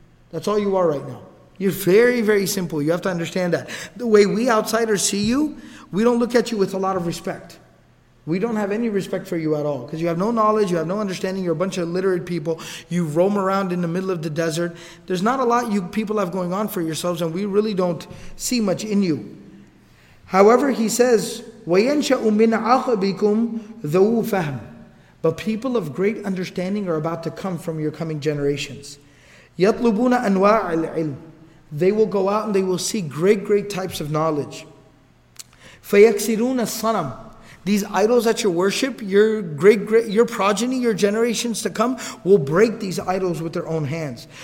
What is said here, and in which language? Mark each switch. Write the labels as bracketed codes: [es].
[en] That's all you are right now. You're very, very simple. You have to understand that. The way we outsiders see you, We don't look at you with a lot of respect. We don't have any respect for you at all. Because you have no knowledge, you have no understanding, you're a bunch of illiterate people. You roam around in the middle of the desert. There's not a lot you people have going on for yourselves, and we really don't see much in you. However, he says, [ar] وَيَنْشَأُ مِنْ عَقَبِكُمْ ذَوُ فَهْمٍ. [en] But people of great understanding are about to come from your coming generations. [ar] يَطْلُبُونَ أَنْوَاعِ الْعِلْمِ. [en] They will go out and they will see great, great types of knowledge. [ar] فَيَكْسِرُونَ الصَّنَمْ. [en] These idols that you worship, your great, great, your progeny, your generations to come, will break these idols with their own hands.